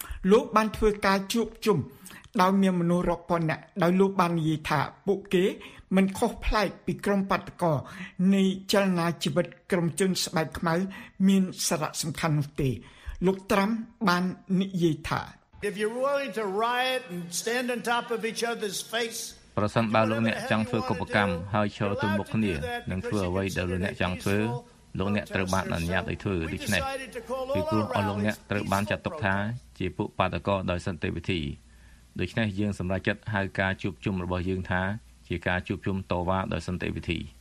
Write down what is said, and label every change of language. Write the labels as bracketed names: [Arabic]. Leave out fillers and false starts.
[Khmer] លោកបានធ្វើការជួបជុំដោយមានមនុស្សរាប់ពាន់នាក់ដោយលោកបាននិយាយថាពួកគេមិនខុសប្លែកពីក្រុមបាតុករនៃចលនាជីវិតក្រុមជនស្បែកខ្មៅមានសារៈសំខាន់នោះទេលោកត្រាំបាននិយាយថា [English] If you're willing to riot and stand on top of each other's face [Khmer] ប្រសិនបើលោកអ្នកចង់ធ្វើកុបកម្មហើយឈរទល់មុខគ្នានឹងធ្វើអ្វីដែលលោកអ្នកចង់ធ្វើលោកអ្នកត្រូវបានអនុញ្ញាតឲ្យធ្វើដូច្នេះពីព្រោះលោកអ្នកត្រូវបានចាត់ទុកថាជាពួកបាតកោដោយសន្តិវិធីដូច្នេះយើងសម្រេចចិត្តហៅការជួបជុំរបស់យើងថាជាការជួបជុំតវ៉ាដោយសន្តិវិធី